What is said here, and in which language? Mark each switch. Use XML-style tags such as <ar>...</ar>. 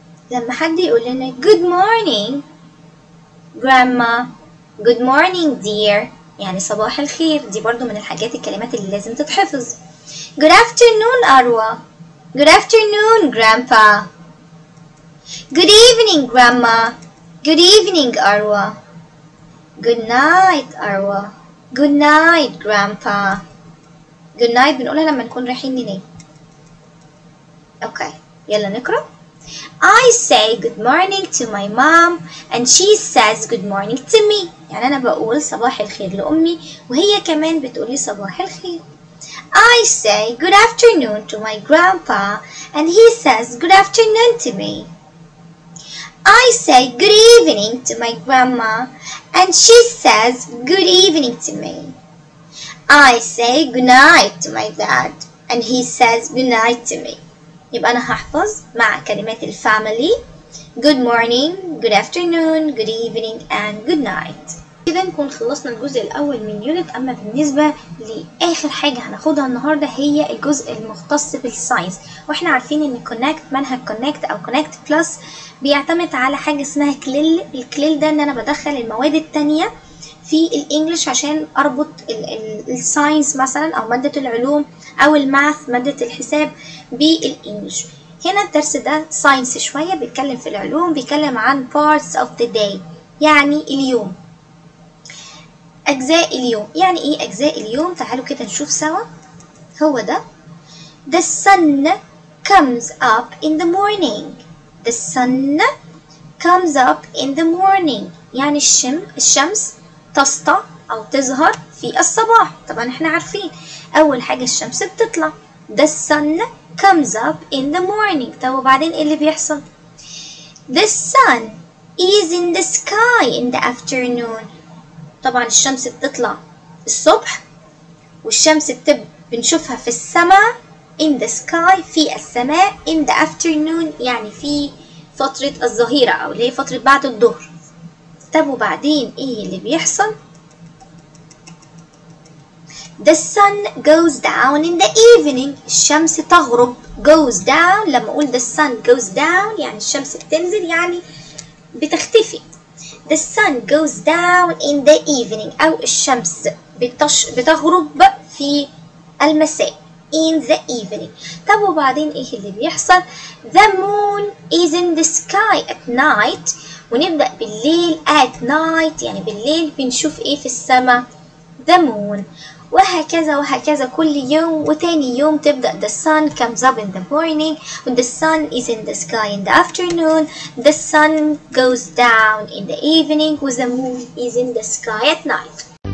<ar>لما حد يقول لنا</ar> <en>good morning grandma، good morning dear،</en> <ar>يعني صباح الخير، دي برضو من الحاجات الكلمات اللي لازم تتحفظ.</ar> <en>good afternoon اروى، good afternoon grandpa، good evening grandma، good evening اروى، good night اروى، good night grandpa.</en> <ar>good night بنقولها لما نكون رايحين ننام. اوكي يلا نقرأ.</ar> <en>I say good morning to my mom and she says good morning to me.</en> <ar>يعني أنا بقول صباح الخير لأمي وهي كمان بتقولي صباح الخير.</ar> <en>I say good afternoon to my grandpa and he says good afternoon to me. I say good evening to my grandma and she says good evening to me. I say good night to my dad and he says good night to me.</en> <ar>يبقى أنا هحفظ مع كلمات الفاميلي</ar> <en>good morning, good afternoon, good evening and good night.</en> <ar>كده نكون خلصنا الجزء الأول من يونت. أما بالنسبة لآخر حاجة هناخدها النهاردة هي الجزء المختص بالساينس، وإحنا عارفين إن كونكت منهج كونكت أو كونكت بلس بيعتمد على حاجة اسمها كليل. الكليل ده إن أنا بدخل المواد التانية في الانجليش عشان اربط الساينس مثلا او مادة العلوم او الماث مادة الحساب بالانجليش. هنا الدرس ده ساينس شوية، بيتكلم في العلوم، بيتكلم عن</ar> <en>parts of the day</en> <ar>يعني اليوم. أجزاء اليوم. يعني إيه أجزاء اليوم؟ تعالوا كده نشوف سوا.</ar> <en>هو ده The sun comes up in the morning. The sun comes up in the morning.</en> <ar>يعني الشمس تسطع أو تظهر في الصباح. طبعا احنا عارفين أول حاجة الشمس بتطلع.</ar> <en>The sun comes up in the morning.</en> <ar>طب وبعدين إيه اللي بيحصل؟</ar> <en>The sun is in the sky in the afternoon.</en> <ar>طبعا الشمس بتطلع الصبح والشمس بنشوفها في السماء in the sky في السماء</ar> <en>in the afternoon</en> <ar>يعني في فترة الظهيرة أو اللي هي فترة بعد الظهر. طب وبعدين إيه اللي بيحصل؟</ar> <en>The sun goes down in the evening.</en> <ar>الشمس تغرب. Goes down لما أقول</ar> <en>the sun goes down</en> <ar>يعني الشمس بتنزل يعني بتختفي.</ar> <en>The sun goes down in the evening</en> <ar>أو الشمس بتغرب في المساء</ar> <en>in the evening.</en> <ar>طب وبعدين إيه اللي بيحصل؟</ar> <en>The moon is in the sky at night.</en> <ar>ونبدأ بالليل</ar> <en>at night</en> <ar>يعني بالليل بنشوف إيه في السماء؟ The moon. وهكذا وهكذا كل يوم. وتاني يوم تبدأ</ar> <en>The sun comes up in the morning and the sun is in the sky in the afternoon. The sun goes down in the evening and the moon is in the sky at night.</en>